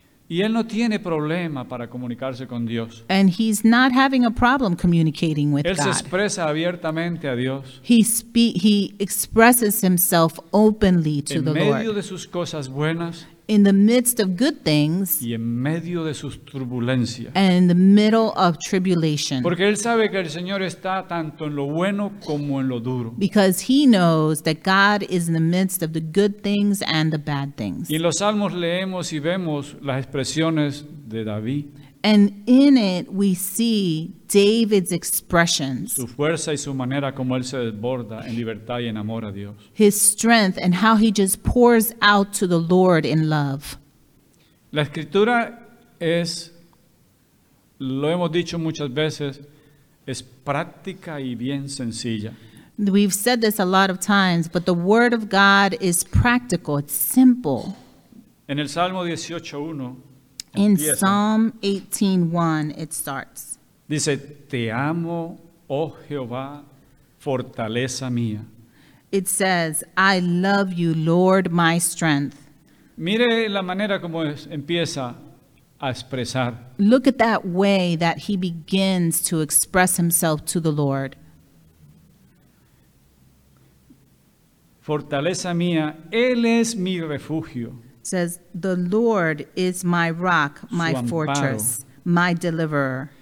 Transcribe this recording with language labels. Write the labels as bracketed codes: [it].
[es] Y él no tiene problema para comunicarse con Dios. [en] And he's not having a problem communicating with [es] él [en] God. [es] Él se expresa abiertamente a Dios. [en] He expresses himself openly to the Lord. [es] En medio de sus cosas buenas. [en] In the midst of good things. [es] Y en medio de sus turbulencias. [en] And in the middle of tribulation. [es] Porque él sabe que el Señor está tanto en lo bueno como en lo duro. [en] Because he knows that God is in the midst of the good things and the bad things. [es] Y en los Salmos leemos y vemos las expresiones de David. [en] And in it we see David's expressions. [es] Su fuerza y su manera como él se desborda en libertad y en amor a Dios. [en] His strength and how he just pours out to the Lord in love. [es] La escritura es, lo hemos dicho muchas veces, es práctica y bien sencilla. [en] We've said this a lot of times, but the word of God is practical, it's simple. [es] En el Salmo 18:1 [en] In Psalm 18:1, it starts. [es] Dice, te amo, oh Jehová, fortaleza mía. [en] It says, I love you, Lord, my strength. [es] Mire la manera como es, empieza a expresar. [en] Look at that way that he begins to express himself to the Lord. [es] Fortaleza mía, Él es mi refugio. [en] Says, the Lord is my rock, my fortress, my deliverer.